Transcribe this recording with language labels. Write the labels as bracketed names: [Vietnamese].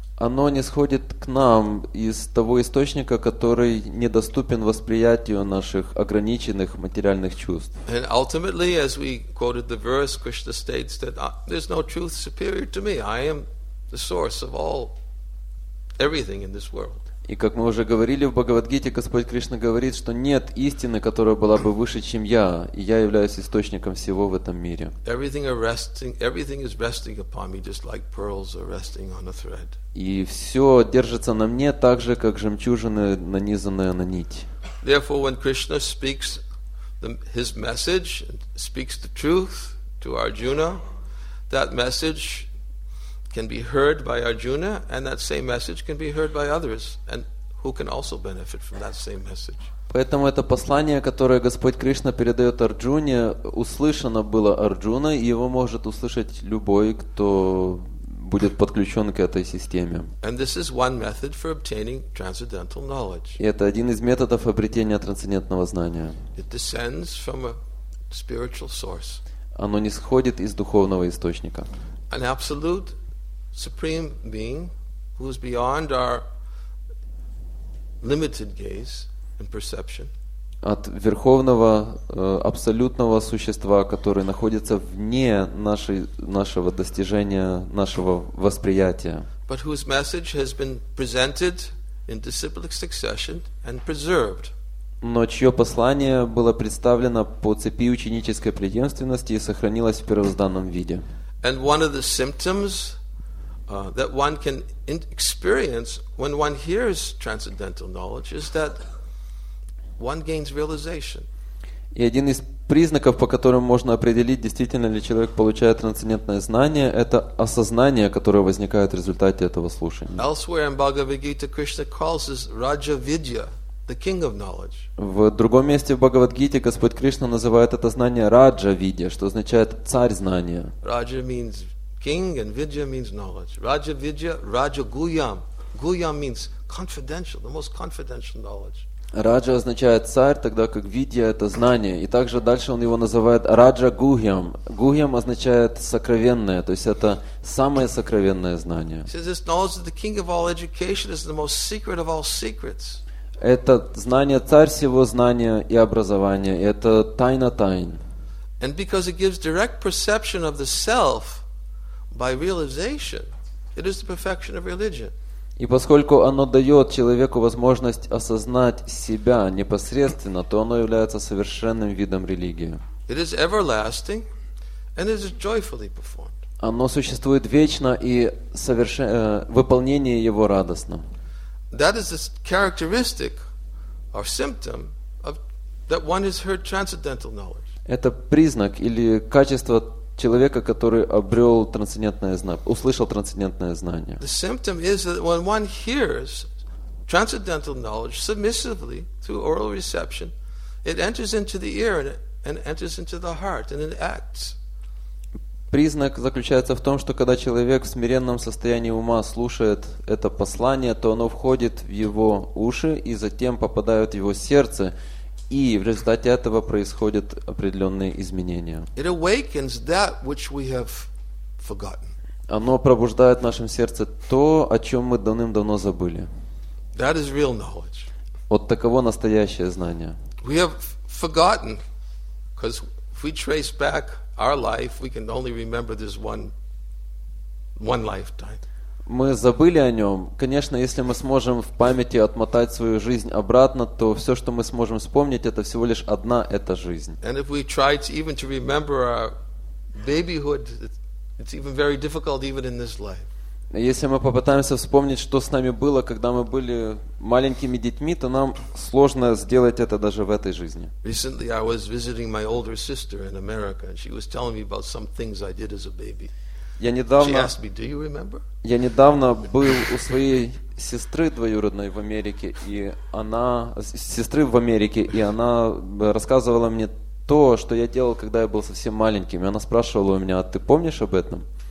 [Russian] Оно нисходит к нам из того источника, который недоступен восприятию наших ограниченных материальных чувств. [English] And ultimately, as we quoted the verse, Krishna states that there's no truth superior to me. I am the source of all everything in this world. [Russian] И как мы уже говорили в Бхагавад-гите, Господь Кришна говорит, что нет истины, которая была бы выше, чем я, и я являюсь источником всего в этом мире. [English] Everything is resting upon me, just like pearls are resting on a thread. [Russian] И все держится на мне так же, как жемчужины, нанизанные на нить. [English] Therefore, when Krishna speaks his message, speaks the truth to Arjuna, that message can be heard by Arjuna, and that same message can be heard by others, and who can also benefit from that same message. [Russian] Поэтому это послание, которое Господь Кришна передает Арджуне, услышано было Арджуна, и его может услышать любой, кто будет подключен к этой системе. [English] And this is one method for obtaining transcendental knowledge. [Russian] И это один из методов обретения трансцендентного знания. [English] It descends from a spiritual source. [Russian] Оно нисходит из духовного источника. [English] An absolute supreme being who is beyond our limited gaze and perception. [Russian] От верховного абсолютного существа, которое находится вне нашего достижения, нашего восприятия. [English] But whose message has been presented in disciplic succession and preserved. [Russian] Но чье послание было представлено по цепи ученической преемственности и сохранилось в первозданном виде. [English] And one of the symptoms that one can experience when one hears transcendental knowledge is that one gains realization. [Russian] И один из признаков, по которым можно определить, действительно ли человек получает трансцендентное знание, это осознание, которое возникает в результате этого слушания. [English] Elsewhere in Bhagavad Gita, Krishna calls this Raja Vidya, the king of knowledge. [Russian] В другом месте в Бхагавад-гите Господь Кришна называет это знание Раджа Видья, что означает царь знания. [English] Raja means king and vidya means knowledge. Raja vidya, raja guyam. Guyam means confidential, the most confidential knowledge. [Russian] Raja означает царь, тогда как vidya это знание. И также дальше он его называет raja guyam. Guyam означает сокровенное, то есть это самое сокровенное знание. [English] He says this knowledge that the king of all education is the most secret of all secrets. [Russian] Это знание царь всего знания и образования. Это тайна тайн. [English] And because it gives direct perception of the self by realization, it is the perfection of religion. [Russian] И поскольку оно дает человеку возможность осознать себя непосредственно, то оно является совершенным видом религии. [English] It is everlasting, and it is joyfully performed. [Russian] Оно существует вечно, и выполнение его радостно. [English] That is the characteristic or symptom of that one has heard transcendental knowledge. [Russian] Это признак или качество человека, который обрел трансцендентное знание, услышал трансцендентное знание. [English] The symptom is that when one hears transcendental knowledge submissively through oral reception, it enters into the ear and enters into the heart and it acts. [Russian] Признак заключается в том, что когда человек в смиренном состоянии ума слушает это послание, то оно входит в его уши и затем попадает в его сердце, и в результате этого происходят определенные изменения. [English] It awakens that which we have forgotten. [Russian] Оно пробуждает в нашем сердце то, о чем мы давным-давно забыли. [English] That is real knowledge. [Russian] Вот таково настоящее знание. [English] We have forgotten, because if we trace back our life, we can only remember this one lifetime. [Russian] Мы забыли о нем. Конечно, если мы сможем в памяти отмотать свою жизнь обратно, то все, что мы сможем вспомнить, это всего лишь одна эта жизнь. [English] And if we try to even to remember our babyhood, it's even very difficult even in this life. [Russian] Если мы попытаемся вспомнить, что с нами было, когда мы были маленькими детьми, то нам сложно сделать это даже в этой жизни. [English] Recently I was visiting my older sister in America, and she was telling me about some things I did as a baby. [Russian] Я недавно был у своей сестры двоюродной в Америке, и она рассказывала мне то, что я делал, когда я был совсем маленьким. И она спрашивала у меня: «А ты помнишь об этом?»